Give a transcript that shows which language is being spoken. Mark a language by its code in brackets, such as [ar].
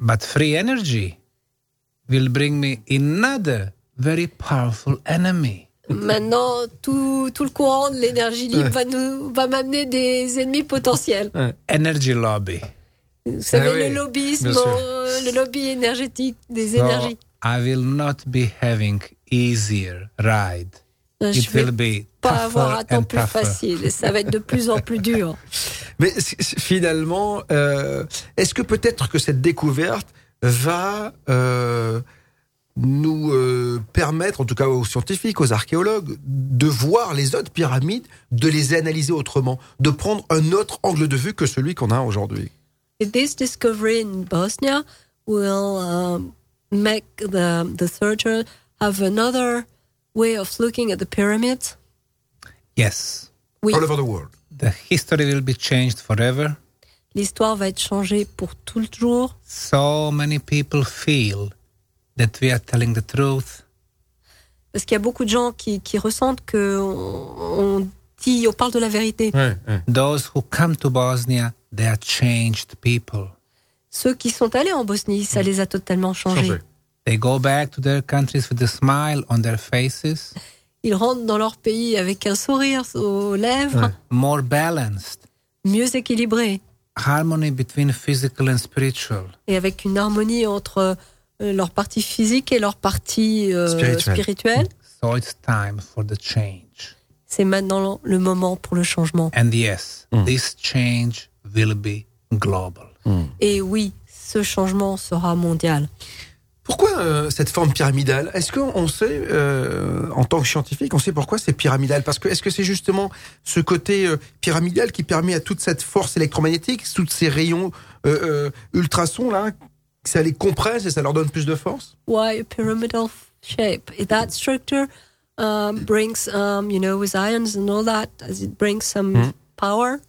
[en] But free energy will bring me another very powerful enemy. [fr] Maintenant, tout le courant de l'énergie libre va m'amener des ennemis potentiels. [en] Energy lobby. [fr] Vous savez, le lobbyisme, le lobby énergétique des énergies. [en] I will not be having easier ride. It will be tougher and tougher. [fr] Facile. Ça va être de plus en plus dur. Mais finalement, est-ce que peut-être que cette découverte va nous permettre, en tout cas aux scientifiques, aux archéologues, de voir les autres pyramides, de les analyser autrement, de prendre un autre angle de vue que celui qu'on a aujourd'hui. [en] This discovery in Bosnia will make the searcher have another way of looking at the pyramids. Yes. All over the world. The history will be changed forever. [fr] L'histoire va être changée pour tout le jour. [en] So many people feel that we are telling the truth. [fr] Parce qu'il y a beaucoup de gens qui ressentent que on dit, on parle de la vérité. [en] Those who come to Bosnia, they are changed people. [fr] Ceux qui sont allés en Bosnie, ça les a totalement changés. [en] They go back to their countries with a smile on their faces. [fr] Ils rentrent dans leur pays avec un sourire aux lèvres. [en] More balanced. [fr] Mieux équilibré. [en] Harmony between physical and spiritual. [fr] Et avec une harmonie entre leur partie physique et leur partie spirituelle. [en] So it's time for the change. [fr] C'est maintenant le moment pour le changement. [en] And yes, this change will be global. [fr] Et oui, ce changement sera mondial. Pourquoi cette forme pyramidale? Est-ce qu'on sait, en tant que scientifique, on sait pourquoi c'est pyramidal? Parce que est-ce que c'est justement ce côté pyramidal qui permet à toute cette force électromagnétique, tous ces rayons ultrasons là, que ça les compresse et ça leur donne plus de force? [en] Why a pyramidal shape? That structure brings, you know, with ions and all that, does it bring some power?